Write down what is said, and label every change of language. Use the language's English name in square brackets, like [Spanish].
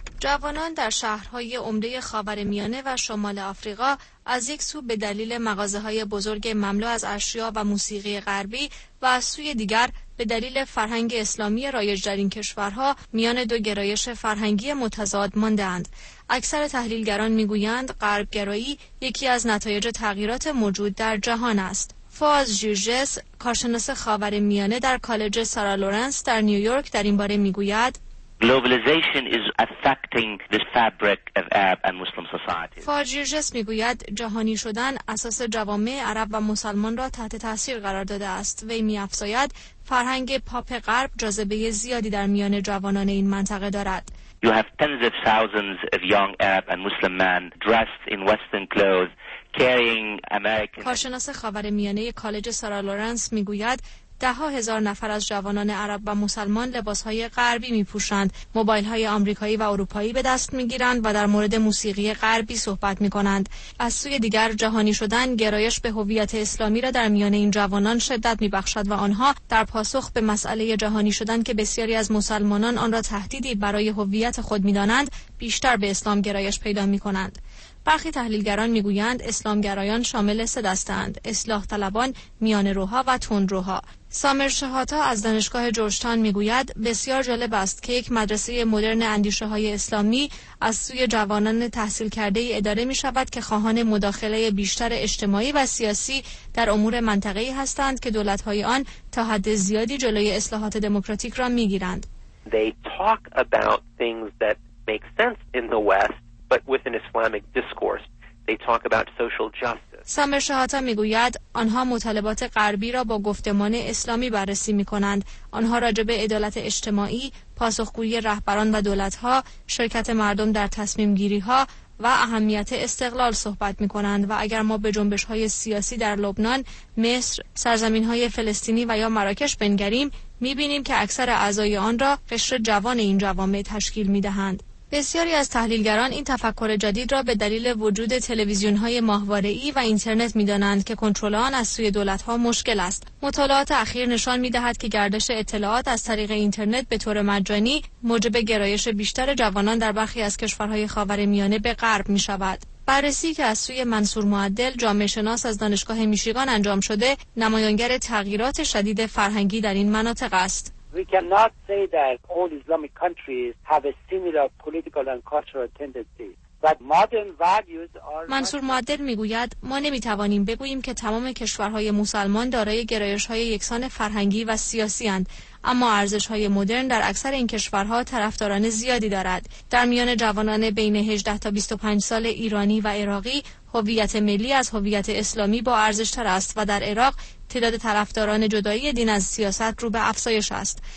[Persian] جوانان در شهرهای عمده خاورمیانه و شمال آفریقا از یک سو به دلیل مغازه‌های بزرگ مملو از اشیاء و موسیقی غربی و از سوی دیگر به دلیل فرهنگ اسلامی رایج در این کشورها میان دو گرایش فرهنگی متضاد ماندند. اکثر تحلیلگران میگویند غرب‌گرایی یکی از نتایج تغییرات موجود در جهان است. فاز جوجس، کارشناس خاورمیانه در کالج سارا لورنس در نیویورک در این باره میگوید [English] Globalization is affecting the fabric of Arab and Muslim societies. [Persian] فاجیرجس میگوید جهانی شدن اساس جوامع عرب و مسلمان را تحت تاثیر قرار داده است. وی میافزاید فرهنگ پاپ غرب جاذبه زیادی در میان جوانان این منطقه دارد. [English] You have tens of thousands of young Arab and Muslim men dressed in western clothes carrying American [Persian] کارشناس خاورمیانه کالج سارا لورنس میگوید ده ها هزار نفر از جوانان عرب و مسلمان لباس‌های غربی می‌پوشند، موبایل‌های آمریکایی و اروپایی به دست می‌گیرند و در مورد موسیقی غربی صحبت می‌کنند. از سوی دیگر جهانی شدن گرایش به هویت اسلامی را در میان این جوانان شدت می‌بخشد و آنها در پاسخ به مسئله جهانی شدن که بسیاری از مسلمانان آن را تهدیدی برای هویت خود می‌دانند، بیشتر به اسلام گرایش پیدا می‌کنند. برخی تحلیلگران میگویند اسلامگرایان شامل سه دسته‌اند: اصلاح طلبان، میان روها و تون روها. سامر شهاتا از دانشگاه جورج‌تاون میگوید بسیار جالب است که یک مدرسه مدرن اندیشه های اسلامی از سوی جوانان تحصیل کرده ای اداره می شود که خواهان مداخله بیشتر اجتماعی و سیاسی در امور منطقه‌ای هستند که دولت های آن تا حد زیادی جلوی اصلاحات دموکراتیک را می گیرند. [English] They talk about things that make sense in the West. But with an Islamic discourse, They talk about social justice. [Persian] سامر شهاتا میگوید آنها مطالبات غربی را با گفتمان اسلامی بررسی میکنند. آنها راجع به عدالت اجتماعی، پاسخگویی رهبران و دولت‌ها، شرکت مردم در تصمیم گیری‌ها و اهمیت استقلال صحبت میکنند و اگر ما به جنبش‌های سیاسی در لبنان، مصر، سرزمین‌های فلسطینی و یا مراکش بنگریم، میبینیم که اکثر اعضای آن را قشر جوان این جوامع تشکیل میدهند. بسیاری از تحلیلگران این تفکر جدید را به دلیل وجود تلویزیون‌های ماهواره‌ای و اینترنت می‌دانند که کنترل آن از سوی دولت‌ها مشکل است. مطالعات اخیر نشان می‌دهد که گردش اطلاعات از طریق اینترنت به طور مجانی موجب گرایش بیشتر جوانان در برخی از کشورهای خاورمیانه به غرب می‌شود. بررسی که از سوی منصور معدل، جامعه شناس از دانشگاه میشیگان انجام شده، نمایانگر تغییرات شدید فرهنگی در این مناطق است. [English] We cannot say that all Islamic countries have a similar political and cultural tendency. But modern values are. [Persian] منصور معدل میگوید ما نمیتوانیم بگوییم که تمام کشورهای مسلمان دارای گرایش‌های یکسان فرهنگی و سیاسی اند. اما ارزش‌های مدرن در اکثر این کشورها طرفداران زیادی دارد. در میان جوانان بین 18 تا 25 سال ایرانی و عراقی، هویت ملی از هویت اسلامی با ارزش‌تر است و در عراق تعداد طرفداران جدایی دین از سیاست رو به افزایش است.